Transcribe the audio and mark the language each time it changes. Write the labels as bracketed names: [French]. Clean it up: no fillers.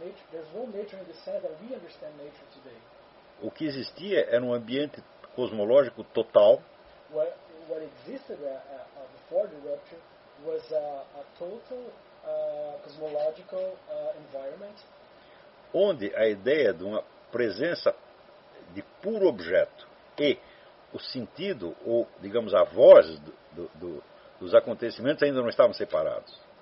[English] There's no nature in the sense that we understand nature today. [Portuguese] O que existia era um ambiente cosmológico total. [English] What existed before the rupture was a total cosmological environment. [Portuguese] Onde a ideia de uma presença de puro objeto e o sentido, ou digamos, a voz dos acontecimentos ainda não estavam separados.